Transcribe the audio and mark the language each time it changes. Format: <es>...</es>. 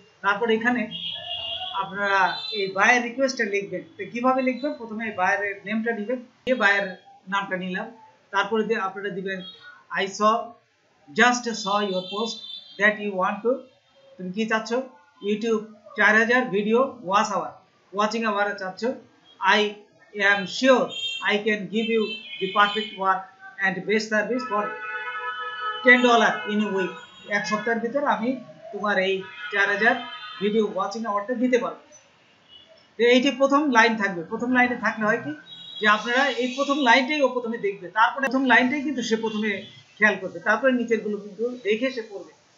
<bn>তারপর এখানে আপনারা এই বায়ের রিকোয়েস্টটা লিখবেন, তো কীভাবে লিখবেন, প্রথমে এই বায়ের নেমটা নেবেন, দিয়ে বায়ের নামটা নিলাম, তারপরে দিয়ে আপনারা দিবেন</bn> <en>I saw just saw your post that you want to,</en> <bn>তুমি কী চাচ্ছ YouTube 4000 video watch hour watching hour চাচ্ছ, I</bn> <en>am sure I can give you the perfect work and best service for $10 in a week.</en> <bn>এক সপ্তাহের ভিতর আমি তোমার এই 4000 video watching order দিতে পারবো। তো এইটি প্রথম লাইন থাকবে। প্রথম লাইনে থাকলে হয় কি যে আপনারা এই প্রথম লাইনটাই ও প্রথমে দেখবে, তারপরে প্রথম লাইনটাই কিন্তু সে প্রথমে খেয়াল করবে, তারপরে নিচের গুলো কিন্তু দেখে সে পড়বে।</bn>